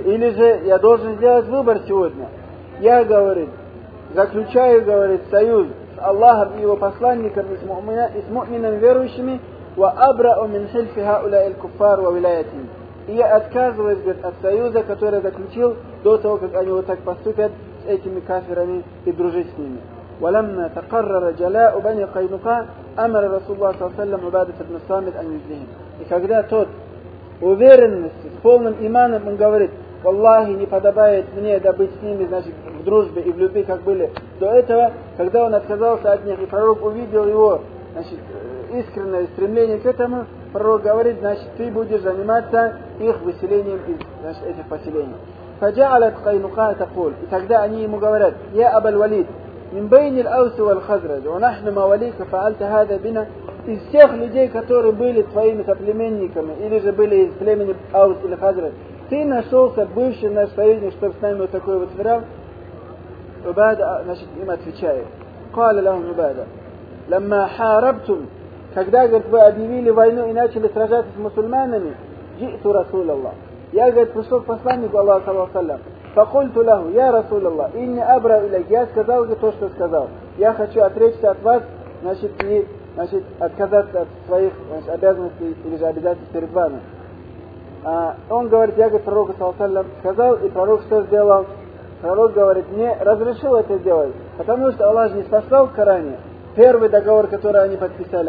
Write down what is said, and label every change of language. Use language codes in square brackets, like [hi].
[ru] Или же я должен сделать выбор сегодня. Я, говорит, заключаю, говорит, союз с Аллахом и его посланником, и с мукминами верующими, [ar] ва абрау мин хильфи хауля иль куффар ва вилаятин. [ru] И я отказываюсь, говорит, от союза, который заключил до того, как они вот так поступят с этими кафирами и дружить с ними. [ar] ولما تقرر جلاء بني قينقاع امر رسول الله صلى الله عليه وسلم عباده بن صامت ان يذهب. [ru] И когда тот уверенность с полным иманом он говорит, والله не подобает мне добыть с ними, значит, в дружбе и в любви, как были до этого, когда он отказался от них, и пророк увидел его, значит, искреннее стремление к этому, пророк говорит, значит, ты будешь заниматься их выселением из, значит, этих поселений. [ar] فجعلت قينقاع تقول. [ru] И тогда они ему говорят, [ar] يا ابا الوليد من بين الأوس والخزرج ونحن مواليك فعلت هذا بنا. [ru] Из всех людей, которые были твоими соплеменниками, или же были из племени Аус или Хазрадж, ты нашелся бывший наш союзник, чтобы с нами вот такой вот сыграл. عبادة значит, им отвечает. [ar] قال لهم عبادة لما حاربتم, [ru] когда, говорит, вы объявили войну и начали сражаться с мусульманами, [ar] جئتوا رسول الله. [ru] Я, говорит, пришел к посланнику Аллаха, [ar] صلى الله عليه وسلم. فقلت له يا رسول الله إني أبرا إليك. [ru] Я сказал, говорит, то, что сказал. Я хочу отречься от вас, значит, и значит, отказаться от своих, значит, обязанностей или же обязательств перед вами. А он говорит, я, говорит, пророк, [ar] صلى الله عليه وسلم, [ru] сказал, и пророк что сделал? Пророк говорит, мне разрешил это делать, потому что Аллах же не спасал в Коране первый договор, который они подписали.